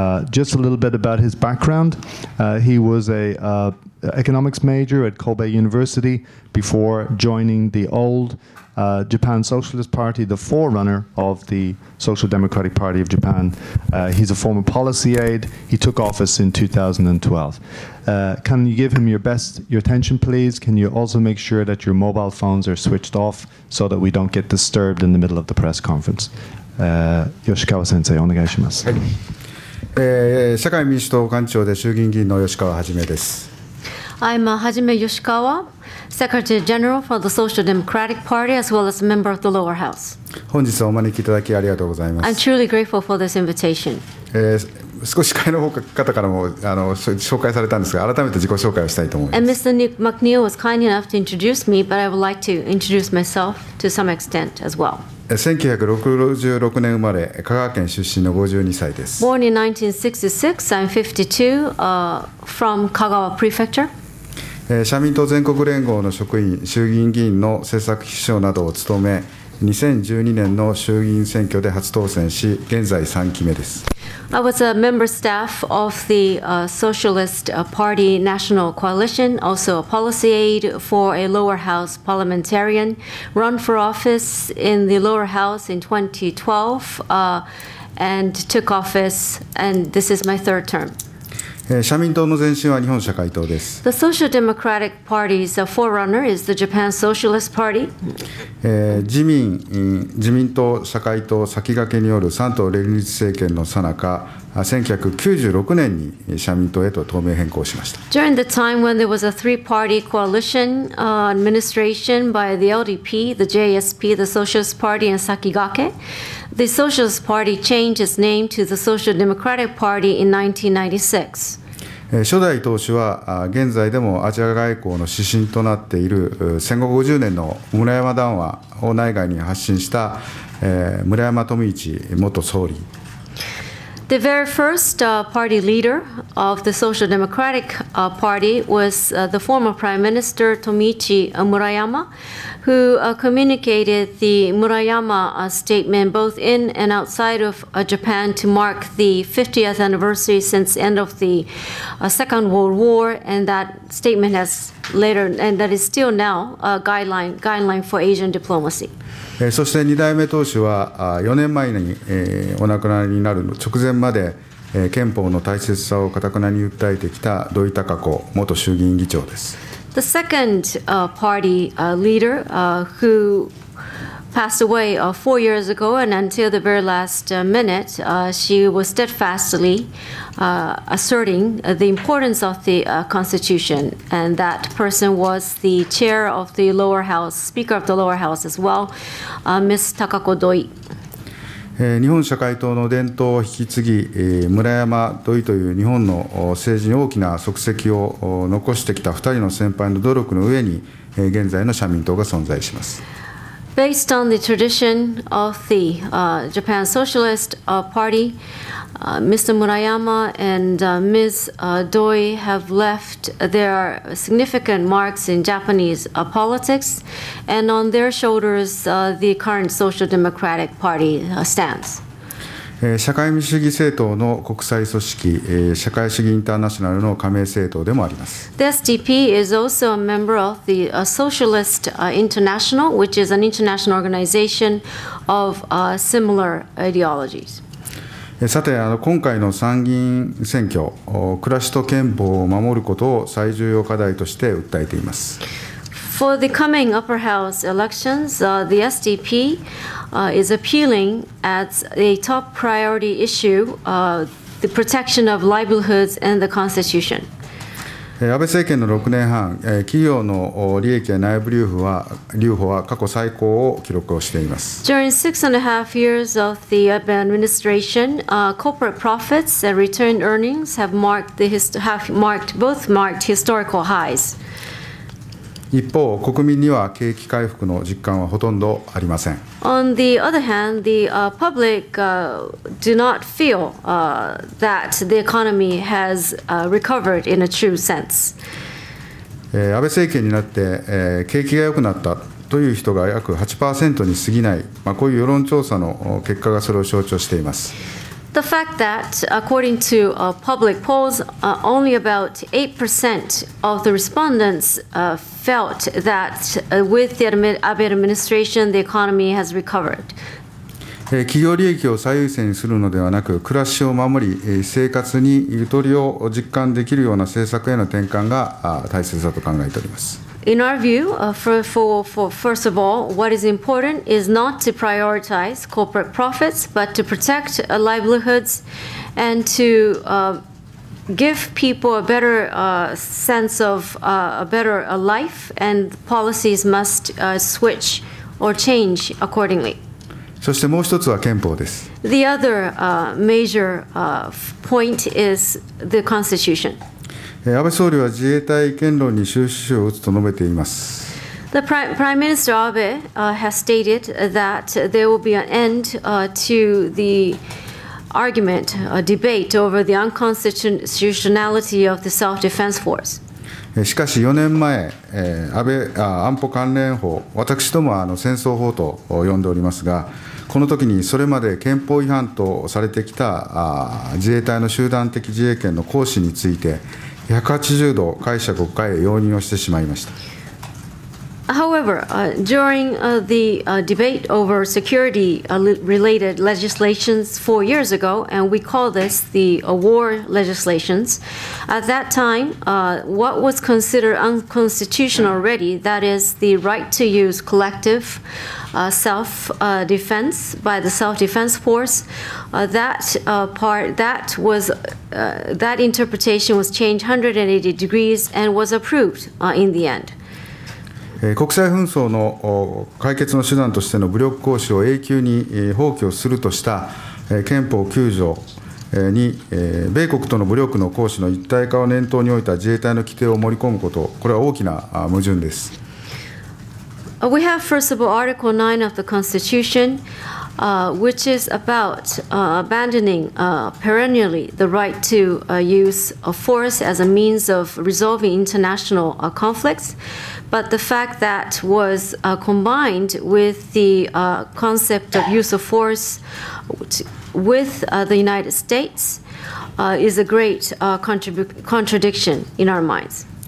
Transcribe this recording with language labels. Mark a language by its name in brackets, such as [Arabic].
[English] Just a little bit about his background. He was a economics major at Kobe University before joining the old Japan Socialist Party, the forerunner of the Social Democratic Party of Japan. He's a former policy aide. He took office in 2012. Can you give him your attention, please? Can you also make sure that your mobile phones are switched off so that we don't get disturbed in the middle of the press conference? [Japanese] Yoshikawa-sensei, onegai shimasu. 社会民主党幹事長で衆議院議員の吉川はじめです。 [English] I'm Hajime Yoshikawa, Secretary General for the Social Democratic Party as well as a member of the lower house. [Japanese] 本日お招きいただきありがとうございます。 [English] I'm truly grateful for this invitation. [Japanese] 少し会の方からも紹介されたんですが、改めて自己紹介をしたいと思います。 [English] And Mr. McNeil was kind enough to introduce me, but I would like to introduce myself to some extent as well. [Japanese] 1966年生まれ、香川県出身の52歳です。 [English] Born in 1966, I'm 52, from Kagawa Prefecture. [Japanese] 社民党全国連合の職員、衆議院議員の政策秘書などを務め、2012年の衆議院選挙で初当選し、現在3期目です。 [English] I was a member staff of the Socialist Party National Coalition, also a policy aide for a lower house parliamentarian. Run for office in the lower house in 2012, and took office, and this is my third term. [Japanese] 社民党の前身は日本社会党です。 [English] The Social Democratic Party's forerunner is the Japan Socialist Party. [Japanese] 自民党社会党先駆けによる三党連立政権の最中、1996年に社民党へと党名変更しました。 [English] During the time when there was a three-party coalition administration by the LDP, the JSP, the Socialist Party, and Sakigake, the Socialist Party changed its name to the Social Democratic Party in 1996. [Japanese] 初代党首は現在でもアジア外交の指針となっている戦後50年の村山談話を内外に発信した村山富市元総理。 [English] The very first party leader of the Social Democratic Party was the former Prime Minister Tomiichi Murayama, who communicated the Murayama statement both in and outside of Japan to mark the 50th anniversary since the end of the Second World War, and that statement has later, and that is still now a guideline for Asian diplomacy. [Japanese] そして2代目党首は4年前にお亡くなりになる直前まで憲法の大切さを堅くなに訴えてきた土井貴子元衆議院議長です。 [English] The second party leader who passed away four years ago and until the very last minute, she was steadfastly asserting the importance of the Constitution, and that person was the chair of the lower house, speaker of the lower house as well, Ms. Takako Doi. [Japanese] 日本社会党の伝統を引き継ぎ、村山土井という日本の政治に大きな足跡を残してきた2人の先輩の努力の上に、現在の社民党が存在します。 [English] Based on the tradition of the Japan Socialist Party, Mr. Murayama and Ms. Doi have left their significant marks in Japanese politics, and on their shoulders the current Social Democratic Party stands. [Japanese] 社会主義政党の国際組織、社会主義インターナショナルの加盟政党でもあります。 [English] The SDP is also a member of the Socialist International, which is an international organization of similar ideologies. [Japanese] さて、今回の参議院選挙、暮らしと憲法を守ることを最重要課題として訴えています。 [English] For the coming upper house elections, the SDP is appealing as a top priority issue the protection of livelihoods and the constitution. [Japanese] 安倍政権の6年半、企業の利益や内部留保は過去最高を記録をしています。 [English] During six and a half years of the Abe administration, corporate profits and return earnings have marked historical highs. [Japanese] 一方、国民には景気回復の実感はほとんどありません。 [English] On the other hand, the public do not feel that the economy has recovered in a true sense. [Japanese] 安倍政権になって、景気が良くなったという人が約 8% に過ぎない、こういう世論調査の結果がそれを象徴しています。 [English] The fact that, according to public polls, only about 8% of the respondents felt that with the Abe administration, the economy has recovered. [Japanese] 企業利益を最優先にするのではなく、暮らしを守り、生活にゆとりを実感できるような政策への転換が大切だと考えております。 [English] In our view, first of all, what is important is not to prioritize corporate profits, but to protect livelihoods and to give people a better sense of a better life, and policies must switch or change accordingly. [Japanese] そしてもう一つは憲法です。 [English] The other major point is the Constitution. [Japanese] 安倍総理は自衛隊憲論に終止符を打つと述べています。 [English] The Prime Minister Abe has stated that there will be an end to the argument, a debate over the unconstitutionality of the self-defense force. [Japanese] しかし4年前、安保関連法、私ども戦争法と呼んでおりますが、この時にそれまで憲法違反とされてきた自衛隊の集団的自衛権の行使について、180度解釈を変え容認をしてしまいました。 [English] However, during the debate over security related legislations four years ago, and we call this the war legislations, at that time, what was considered unconstitutional already, that is the right to use collective self-defense by the self-defense force, that interpretation was changed 180 degrees and was approved in the end. [Japanese] 国際紛争の解決の手段としての武力行使を永久に放棄をするとした憲法9条に、米国との武力の行使の一体化を念頭に置いた自衛隊の規定を盛り込むこと、これは大きな矛盾です。 [English] We have first of all Article 9 of the Constitution, which is about abandoning perennially the right to use force as a means of resolving international conflicts. But the fact that was combined with the concept of use of force with the United States is a great contradiction in our minds.